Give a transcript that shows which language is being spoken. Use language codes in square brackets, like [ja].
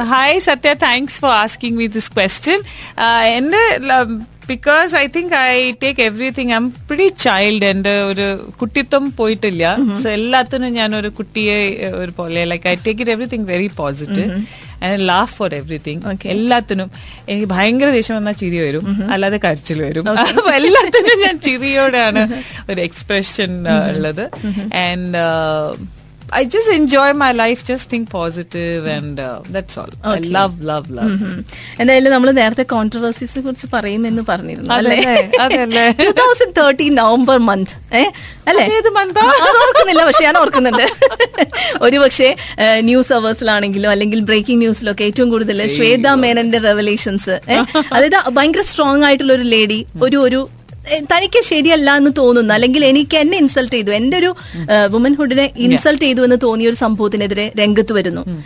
[en] Hi Sathya, thanks for asking me this question. എന്റെ because I think I take everything I am pre child, [ml] എന്റെ ഒരു കുട്ടിത്വം പോയിട്ടില്ല. So എല്ലാത്തിനും ഞാനൊരു കുട്ടിയെ ഒരു പോലെ [en] Like I take it everything very positive and laugh for everything. Okay. [ml] എല്ലാത്തിനും എനിക്ക് ഭയങ്കര ദേഷ്യം വന്നാൽ ചിരി വരും, അല്ലാതെ കരച്ചിൽ വരും. അപ്പൊ എല്ലാത്തിനും ഞാൻ ചിരിയോടെയാണ് ഒരു എക്സ്പ്രഷൻ ഉള്ളത്. And [en] I just enjoy my life, just think positive and that's all. Okay. I love. [ml] എന്നല്ല നമ്മള് നേരത്തെ കോൺട്രവേഴ്സീസ് കുറിച്ച് പറയും എന്ന് പറഞ്ഞിരുന്നു അല്ലേ. 2013 നവംബർ മന്ത് അല്ലേ, ഏത് മന്താ ഓർക്കുന്നില്ല, പക്ഷെ ഞാൻ ഓർക്കുന്നുണ്ട്. ഒരു പക്ഷേ ന്യൂസ് അവേഴ്സിലാണെങ്കിലും അല്ലെങ്കിൽ ബ്രേക്കിംഗ് ന്യൂസിലോ ഒക്കെ ഏറ്റവും കൂടുതൽ ശ്വേത മേനന്റെ റെവലേഷൻസ്, അതായത് ഭയങ്കര സ്ട്രോങ് ആയിട്ടുള്ള ഒരു ലേഡി, ഒരു ഒരു തനിക്ക് ശരിയല്ല എന്ന് തോന്നുന്നു അല്ലെങ്കിൽ എനിക്ക് എന്നെ ഇൻസൾട്ട് ചെയ്തു, എന്റെ ഒരു വുമൻഹുഡിനെ ഇൻസൾട്ട് ചെയ്തു എന്ന് തോന്നിയ ഒരു സംഭവത്തിനെതിരെ രംഗത്ത് വരുന്നു.